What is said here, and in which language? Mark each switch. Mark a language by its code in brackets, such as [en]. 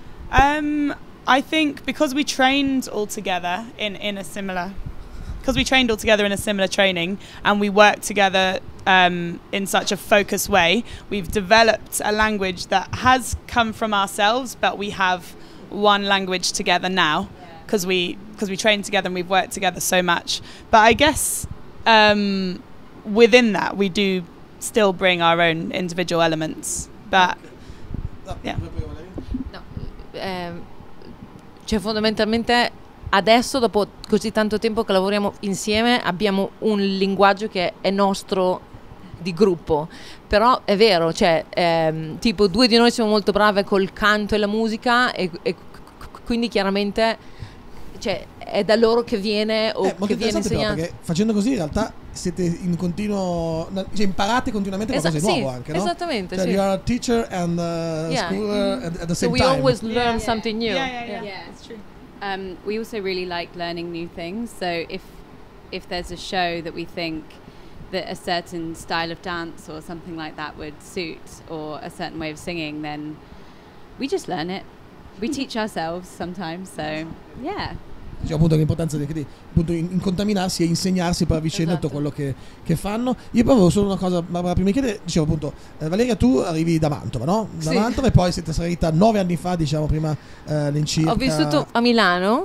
[en] I think because we trained all together in a similar training, and we work together in such a focused way, we've developed a language that has come from ourselves, but we have one language together now. Because we train together and we've worked together so much. But I guess within that, we do still bring our own individual elements. But [it] no, cioè fondamentalmente adesso, dopo così tanto tempo che lavoriamo insieme, abbiamo un linguaggio che è nostro di gruppo. Però è vero, cioè tipo due di noi siamo molto brave col canto e la musica, e quindi chiaramente, cioè, è da loro che viene, o che viene insegnato. Però, perché facendo così in realtà siete in continuo, cioè imparate continuamente qualcosa di nuovo, sì, anche, no? Esattamente, cioè, sì. [en] You are a teacher and a schooler at the same time. So we always learn something new. Yeah, it's true. We also really like learning new things. So if there's a show that we think that a certain style of dance or something like that would suit, or a certain way of singing, then we just learn it. We teach ourselves sometimes, so yeah. [it] Cioè, appunto, l'importanza di appunto incontaminarsi e insegnarsi per vicenda, esatto, tutto quello che fanno. Io proprio solo una cosa, ma prima di chiedere, dicevo appunto, Valeria, tu arrivi da Mantova, no? Da sì. Mantova, e poi siete salita 9 anni fa, diciamo, prima l'incirca. Ho vissuto a Milano.